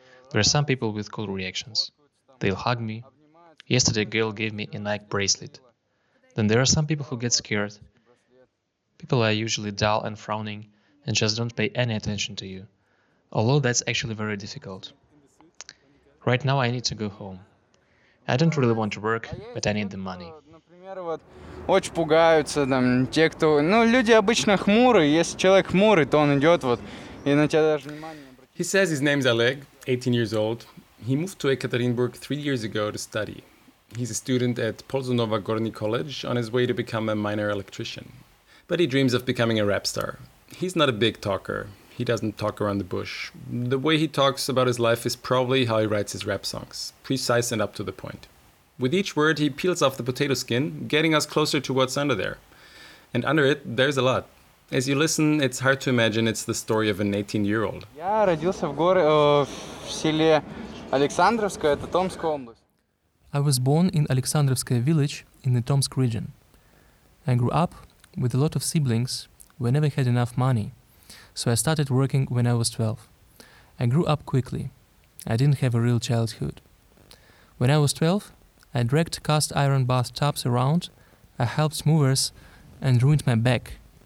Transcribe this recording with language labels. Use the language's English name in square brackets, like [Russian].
[English] There are some people with cool reactions. They'll hug me. Yesterday a girl gave me a Nike bracelet. Then there are some people who get scared. People are usually dull and frowning and just don't pay any attention to you. Although that's actually very difficult. Right now I need to go home. I don't really want to work, but I need the money. [Russian] Например, вот очень пугаются там те, кто, ну, люди обычно хмурые. Если человек хмурый, то он идёт вот и на тебя даже внимание не обращает. [English] He says his name's Oleg, 18 years old. He moved to Ekaterinburg 3 years ago to study. He's a student at Polzunova Gorny College on his way to become a minor electrician. But he dreams of becoming a rap star. He's not a big talker. He doesn't talk around the bush. The way he talks about his life is probably how he writes his rap songs, precise and up to the point. With each word, he peels off the potato skin, getting us closer to what's under there. And under it, there's a lot. As you listen, it's hard to imagine it's the story of an 18-year-old. [Russian] Я родился в горе в селе Александровское, это Томская область. [English] I was born in Alexandrovskaya village in the Tomsk region. I grew up with a lot of siblings. We never had enough money. So I started working when I was 12. I grew up quickly. I didn't have a real childhood. When I was 12, I dragged cast iron bathtubs around, I helped movers, and ruined my back.